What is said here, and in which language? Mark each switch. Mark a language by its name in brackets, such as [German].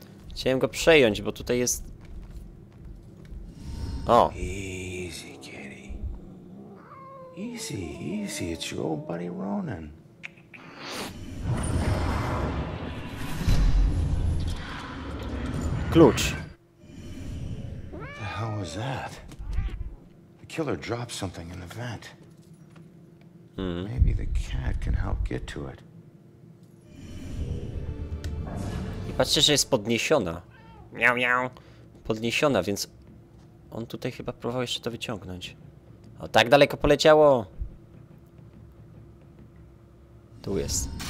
[Polish] Chciałem go przejąć, bo tutaj jest... O! [English] Easy, kitty. Easy, easy, it's your old buddy Ronan. [Polish] Klucz. [English] The hell was that? The killer dropped something in the vent. Maybe the cat can help get to it. [Polish] I patrzcie, że jest podniesiona. Miau, miau. Podniesiona, więc on tutaj chyba próbował jeszcze to wyciągnąć. O, tak daleko poleciało. Tu jest.